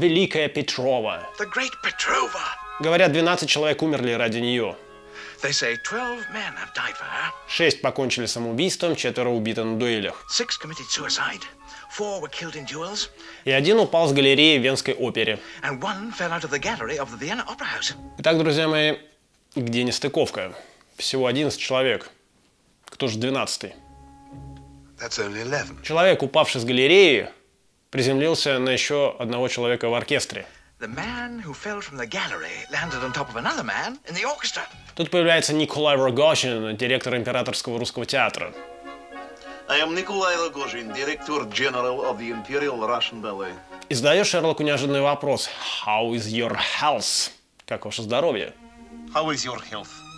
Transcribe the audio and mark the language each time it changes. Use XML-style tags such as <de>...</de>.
<ru>Великая Петрова.</ru> <en>The great Petrova.</en> <ru>Говорят, 12 человек умерли ради нее.</ru> <en>They say 12 men have died for her.</en> <ru>6 покончили самоубийством, 4 убиты на дуэлях.</ru> <en>6 committed suicide. 4 were killed in duels.</en> <ru>И один упал с галереи в Венской опере.</ru> <en>And one fell out of the gallery of the Vienna Opera House.</en> <ru>Итак, друзья мои, где нестыковка? Всего 11 человек. Кто же 12-й?</ru> <en>That's only 11.</en> <ru>Человек, упавший с галереи, приземлился на еще одного человека в оркестре.</ru> <en>The man who fell from the gallery landed on top of another man in the orchestra.</en> <ru>Тут появляется Николай Рогожин, директор Императорского русского театра.</ru> <en>I am Nikolai Rogozhin, director general of the Imperial Russian Ballet.</en> <ru>И задаёт Шерлоку неожиданный вопрос:</ru> <en>How is your health?</en> <ru>Как ваше здоровье?</ru> <en>How is your health?</en>